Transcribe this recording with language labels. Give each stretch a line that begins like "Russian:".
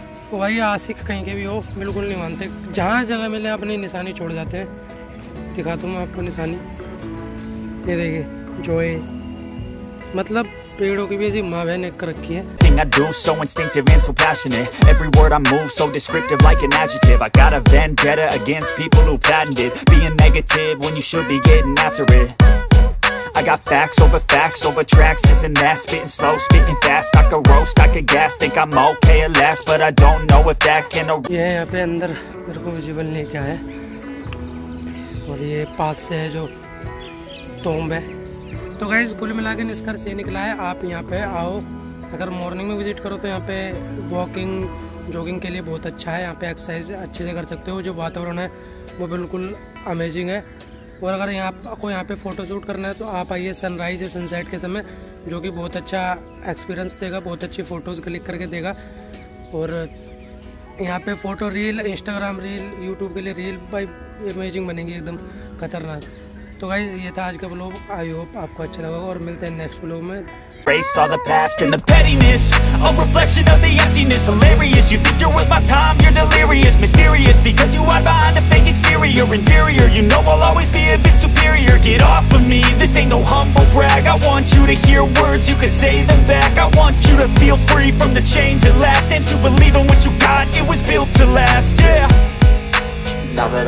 Hindi: तो भाई आसिक कहीं के भी हो बिल्कुल नहीं मानते, जहाँ जगह मिले अपनी निशानी छोड़ जाते हैं। दिखाता हूँ मैं आपको निशानी, ये देखिए जो है, मतलब पेड़ों की भी ऐसी माँ बहन एक रखी है।
English: I do so instinctive and so passionate. Every word I move so descriptive like an adjective. I got a vendetta against people who patent it. Being negative when you should be getting after it. I got facts over tracks. This and that, spitting slow, spitting fast. I could roast, I could gas. Think I'm okay at last, but I don't know if that can.
Hindi: ये यहाँ पे अंदर मेरे को visible नहीं क्या है, और ये पास से है जो टॉम्ब है। तो गाइस कुल मिला के निष्कर्ष ये निकला है, आप यहाँ पे आओ, अगर मॉर्निंग में विजिट करो तो यहाँ पे वॉकिंग जॉगिंग के लिए बहुत अच्छा है, यहाँ पे एक्सरसाइज अच्छे से कर सकते हो, जो वातावरण है वो बिल्कुल अमेजिंग है। और अगर यहाँ को यहाँ पे फ़ोटोशूट करना है तो आप आइए सनराइज़ या सनसेट के समय, जो कि बहुत अच्छा एक्सपीरियंस देगा, बहुत अच्छी फ़ोटोज़ क्लिक करके देगा। और यहाँ पे photo reel, Instagram reel, YouTube के लिए रील भाई अमेजिंग बनेंगी एकदम खतरनाक। तो गाइस ये था आज का व्लॉग,
English: I hope
Hindi: आपको अच्छा लगा, और मिलते हैं नेक्स्ट व्लॉग में।
English: Race all the past and the pettiness, a reflection of the emptiness. Hilarious, you think you're worth my time, you're delirious. Mysterious, because you hide behind a fake exterior. Inferior, you know I'll always be a bit superior. Get off of me, this ain't no humble brag. I want you to hear words, you can say them back. I want you to feel free from the chains at last. And to believe in what you got, it was built to last, yeah. Now that I'm